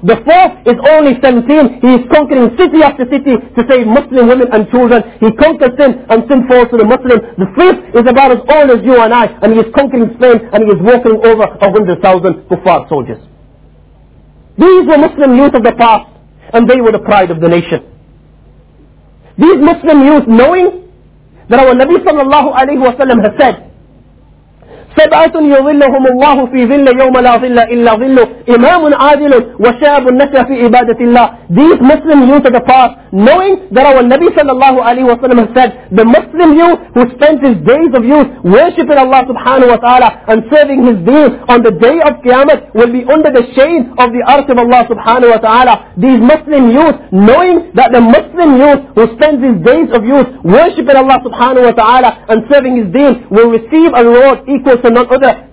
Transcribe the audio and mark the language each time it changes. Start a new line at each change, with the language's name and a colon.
English: The fourth is only 17. He is conquering city after city to save Muslim women and children. He conquers sin and sin falls to the Muslim. The fifth is about as old as you and I, and he is conquering Spain and he is walking over 100,000 kuffar soldiers. These were Muslim youth of the past, and they were the pride of the nation. These Muslim youth, knowing that our Nabi sallallahu alayhi wa sallam has said,
Arabic: سَبْعَةٌ يُظِلُّهُمُ اللَّهُ فِي ظِلَّ يَوْمَ لَا ظِلَّ إِلَّا ظِلُّ إِمَامٌ عَادِلٌ وَشَابٌ نَكَى فِي عِبَادَةِ اللَّهِ.
English: These Muslim youth of the past, knowing that our Nabi sallallahu alayhi wa sallam has said, the Muslim youth who spent his days of youth worshipping Allah subhanahu wa ta'ala and serving his deen, on the day of Qiyamah will be under the shade of the arch of Allah subhanahu wa ta'ala. These Muslim youth, knowing that the Muslim youth who spends his days of youth worshipping Allah subhanahu wa ta'ala and serving his deen, will receive a reward equal to none other.